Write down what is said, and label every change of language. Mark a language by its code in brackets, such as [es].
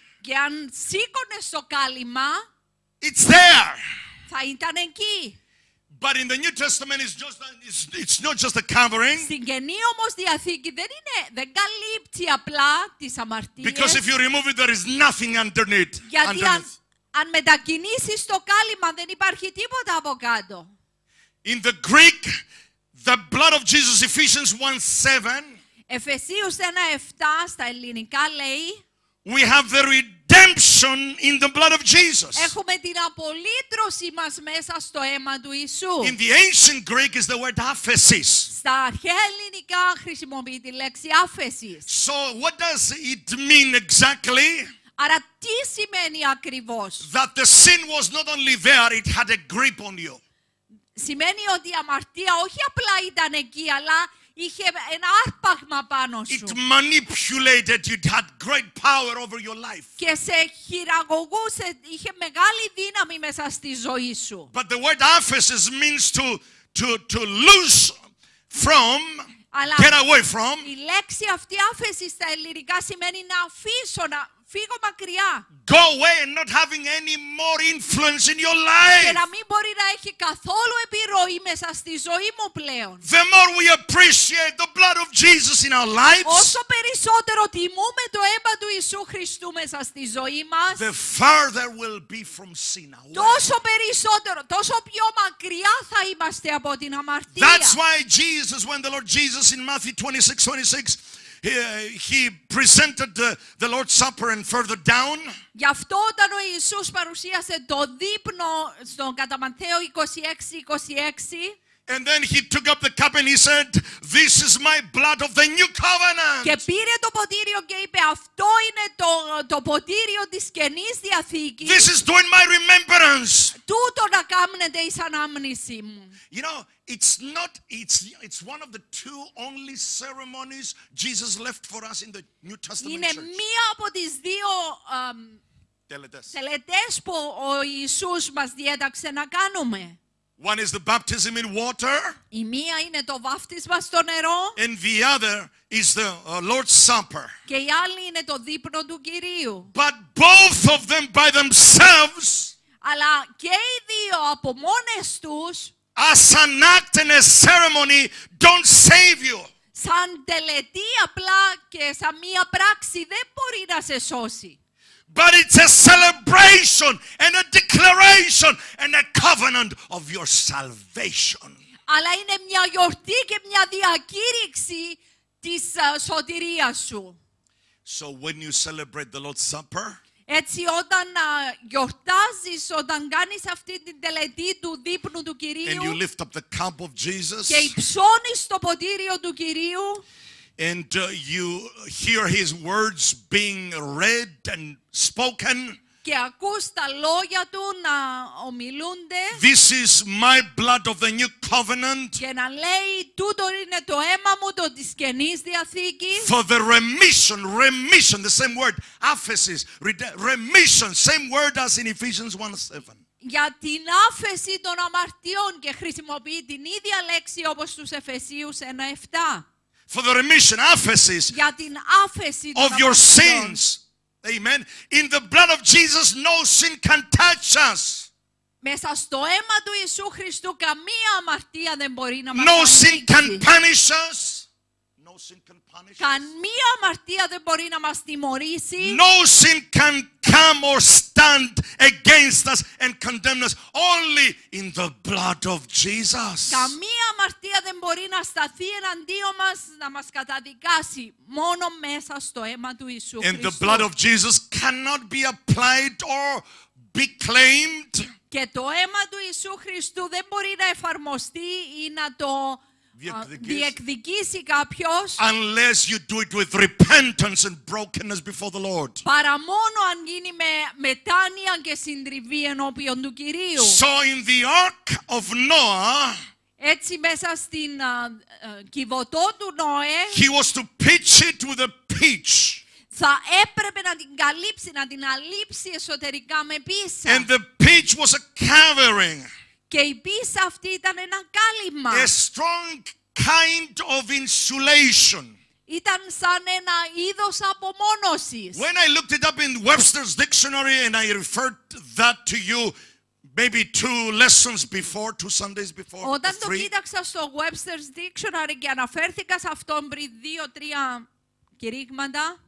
[el] και αν σήκωνες το κάλυμα, [en] it's there. [el] Θα ήταν εκεί. [en] But in the New Testament, it's not just a covering. [el] Στην Καινή όμως Διαθήκη δεν είναι, δεν καλύπτει απλά τις αμαρτίες. [en] Because if you remove it, there is nothing underneath. [el] Γιατί αν μετακινήσεις το κάλυμα, δεν υπάρχει τίποτα από κάτω. [en] In the Greek, the blood of Jesus, Ephesians 1:7. [el] Εφεσίους 1:7 στα ελληνικά λέει. [en] We have the redemption in the blood of Jesus. [el] Έχουμε την απολύτρωση μας μέσα στο αίμα του Ιησού. [en] In the ancient Greek is the word aphesis. [el] Στα αρχαία ελληνικά χρησιμοποιεί τη λέξη aphesis. [en] So what does it mean exactly? [el] Άρα τι σημαίνει ακριβώς? [en] That the sin was not only there, it had a grip on you. [el] Σημαίνει ότι η αμαρτία όχι απλά ήταν εκεί, αλλά είχε ένα άρπαγμα πάνω σου. [en] It manipulated you, had great power over your life. [el] Και σε χειραγωγούσε, είχε μεγάλη δύναμη μέσα στη ζωή σου. [en] But the word aphesis means to lose from, [el] αλλά [en] get away from. [el] Η λέξη αυτή άφεση στα ελληνικά σημαίνει να αφήσω, να φύγω μακριά. [en] Go away and not having any more influence in your life. [el] Και να μην μπορεί να έχει καθόλου επιρροή μέσα στη ζωή μου πλέον. [en] The more we appreciate the blood of Jesus in our lives. [el] Όσο περισσότερο τιμούμε το αίμα του Ιησού Χριστού μέσα στη ζωή μας. [en] The farther we'll be from sin. [el] Τόσο περισσότερο, τόσο πιο μακριά θα είμαστε από την αμαρτία. [en] That's why Jesus, when the Lord Jesus in Matthew 26:26. He presented the Lord's Supper and further down. [el] Γι' αυτό όταν ο Ιησούς παρουσίασε το δείπνο στον κατά Ματθαίο 26:26. [en] And then he took up the cup and he said, "This is my blood of the new covenant." [el] Και πήρε το ποτήριο και είπε, αυτό είναι το ποτήριο της Καινής Διαθήκης. [en] This is doing my remembrance. [el] Τούτο να κάμνεται εις ανάμνησή μου. [en] You know, it's one of the two only ceremonies Jesus left for us in the New Testament. [el] Είναι μία από τις δύο τελετές που ο Ιησούς μας διέταξε να κάνουμε. [en] One is the baptism in water. [el] Η μία είναι το βάπτισμα στο νερό. [en] And the other is the Lord's Supper. [el] Και η άλλη είναι το δείπνο του Κυρίου. [en] But both of them by themselves. [el] Αλλά και οι δύο από μόνες τους. [en] As an act and a ceremony, don't save you. [el] Σαν τελετή απλά και σαν μία πράξη δεν μπορεί να σε σώσει. [en] But it's a celebration and a declaration and a covenant of your salvation. [el] Αλλά είναι μια γιορτή και μια διακήρυξη της σωτηρίας σου. [en] So when you celebrate the Lord's Supper, [el] έτσι όταν γιορτάζεις, όταν κάνεις αυτή την τελετή του δείπνου του Κυρίου, [en] and you lift up the cup of Jesus, [el] και υψώνεις το ποτήριο του Κυρίου, [en] and you hear his words being read and spoken. [el] Και ακούς τα λόγια του να ομιλούνται. [en] This is my blood of the new covenant. [el] Και να λέει, τούτο είναι το αίμα μου το της Καινής Διαθήκης. [en] For the remission, the same word, aphesis, remission, same word as in Ephesians 1:7. [el] Για την άφεση των αμαρτιών και χρησιμοποιεί την ίδια λέξη όπως στους Εφεσίους 1:7. [en] For the remission, aphesis, [el] για την άφεση [en] of your sins. Amen. In the blood of Jesus, no sin can touch us. [el] Μέσα στο αίμα του Ιησού Χριστού καμία αμαρτία δεν μπορεί να μας αγγίξει. [en] No sin can punish us. No sin can punish us. [el] Καμία αμαρτία δεν μπορεί να μας τιμωρήσει. [en] No sin can come or stand against us and condemn us. Only in the blood of Jesus. [el] Καμία αμαρτία δεν μπορεί να σταθεί εναντίον μας, να μας καταδικάσει. Μόνο μέσα στο αίμα του Ιησού Χριστού. [en] And the blood of Jesus cannot be applied or be claimed. [el] Και το αίμα του Ιησού Χριστού δεν μπορεί να εφαρμοστεί ή να το διεκδικήσει κάποιος, [en] unless you do it with repentance and brokenness before the Lord. [el] Παρά μόνο αν γίνει με μετάνοια και συντριβή ενώπιον του Κυρίου. [en] So in the ark of Noah, [el] έτσι μέσα στην κυβωτό του Νόε, [en] he was to pitch it with a pitch. [el] Θα έπρεπε να την καλύψει, να την αλείψει εσωτερικά με πίσα. [en] And the pitch was a covering. [el] Και η πίσα αυτή ήταν ένα κάλυμα. [en] A strong kind of insulation. [el] Ήταν σαν ένα είδος απομόνωσης. [en] When I looked it up in Webster's dictionary and I referred that to you maybe two lessons before, two Sundays before. [el] Όταν το κοίταξα στο Webster's Dictionary και αναφέρθηκα σε αυτόν πριν δύο-τρία κηρύγματα.